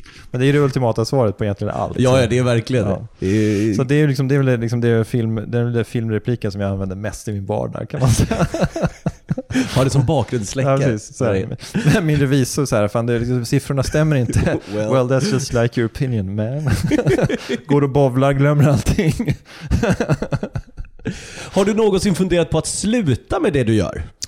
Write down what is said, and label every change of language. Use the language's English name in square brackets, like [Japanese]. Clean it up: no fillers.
[Swedish] Men det är det ultimata svaret på egentligen allt. Ja, det är verkligen. Ja. Så det är liksom, det är filmrepliken som jag använder mest i min vardag, kan man säga. Har det som bakgrundsläcka. Ja, precis, så här, min revisor så här, fan, det är liksom, siffrorna stämmer inte. [English] Well, well, that's just like your opinion, man. [Swedish] Går och bovlar, glömmer allting. Har du någonsin funderat på att sluta med det du gör?